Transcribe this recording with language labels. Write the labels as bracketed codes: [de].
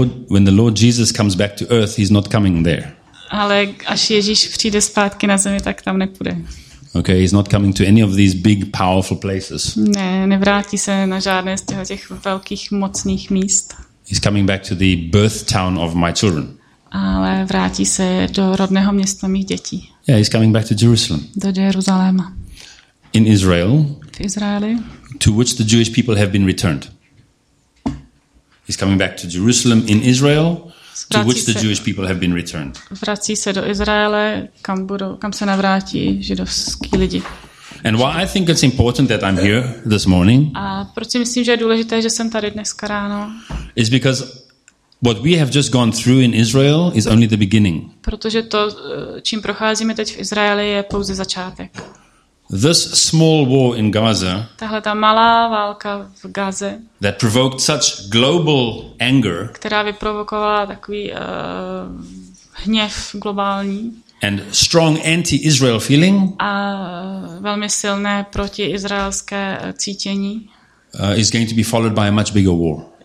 [en] When the Lord Jesus comes back to earth, he's not coming there. [cs] Ale až Ježíš přijde zpátky na zemi, tak tam nepůjde. [en] Okay, he's not coming to any of these big powerful places. [cs] Ne, nevrátí se na žádné z těch velkých mocných míst. [en] He's coming back to the birth town of my children. [cs] Ale vrátí se do rodného města mých dětí. [en] Yeah, he's coming back to Jerusalem. [cs] Do Jeruzaléma. [en] In Israel. [cs] V Izraeli. [en] To which the Jewish people have been returned. He's coming back to Jerusalem in Israel, to which the Jewish people have been returned. [cs] Vrací se do Izraele, kam se navrátí židovský lidi. [en] And why I think it's important that I'm here this morning. [cs] A proč si myslím, že je důležité, že jsem tady dneska ráno? [en] Is because what we have just gone through in Israel is only the beginning. [cs] Protože to, čím procházíme teď v Izraeli, je pouze začátek. [en] This small war in Gaza. [cs] Tahle ta malá válka v Gaze. [en] That provoked such global anger. [cs] Která vyprovokovala takový hněv globální. [en] And strong anti-Israel feeling. [cs] A velmi silné protiizraelské cítění. [en] Is going to be followed by a much bigger war.